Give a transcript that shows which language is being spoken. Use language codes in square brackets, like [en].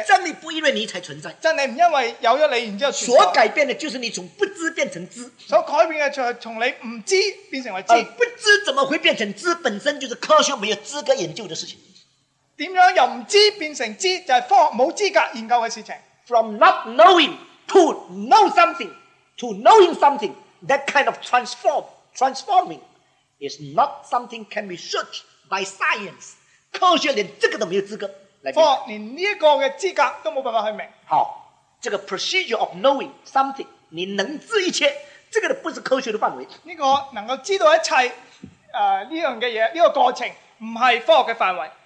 [zh] 真理不因为你才存在，真理不因为有了你然后存在。所改变的就是你从不知变成知，所改变的就是从你不知变成为知。不知怎么会变成知，本身就是科学没有资格研究的事情。怎样由不知变成知，就是科学没有资格研究的事情。 [en] From not knowing to know something to knowing something, that kind of transforming is not something can be searched by science. [zh] 科学连这个都没有资格来明白，连这个的资格都没办法去明白。好，这个 [en] procedure of knowing something, [zh] 你能知一切，这个都不是科学的范围。这个能够知道一切，这样的东西，这个过程不是科学的范围。